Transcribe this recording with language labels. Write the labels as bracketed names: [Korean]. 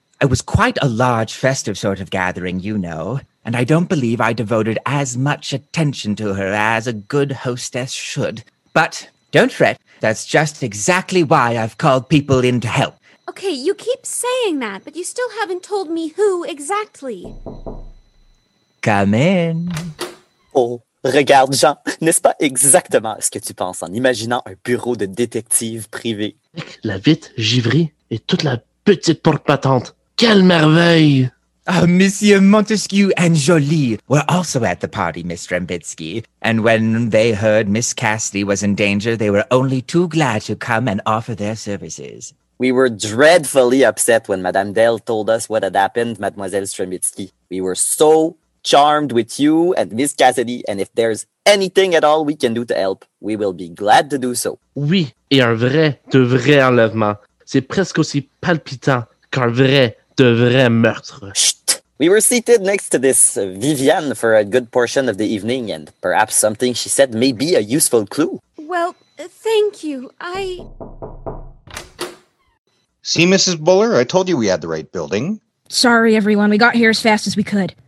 [English] It was quite a large festive sort of gathering, you know, and I don't believe I devoted as much attention to her as a good hostess should. But don't fret, that's just exactly why I've called people in to help. Okay, you keep saying that, but you still haven't told me who exactly. Come in. [French] Oh, regarde Jean, n'est-ce pas exactement ce que tu penses en imaginant un bureau de détective privé? Avec la vitre givrée et toute la petite porte battante. Quelle merveille! [English] Ah, Monsieur Montesquieu and Jolie were also at the party, Miss Rembitsky, and when they heard Miss Cassidy was in danger, they were only too glad to come and offer their services. We were dreadfully upset when Madame Dell told us what had happened, Mademoiselle Strembitsky. We were so charmed with you and Miss Cassidy, and if there's anything at all we can do to help, we will be glad to do so. [French] Oui, et un vrai de vrai enlèvement. C'est presque aussi palpitant qu'un vrai de vrai meurtre. Chut! [English] We were seated next to this Viviane for a good portion of the evening, and perhaps something she said may be a useful clue. Well, thank you. I... See, Mrs. Buller, I told you we had the right building. Sorry, everyone. We got here as fast as we could.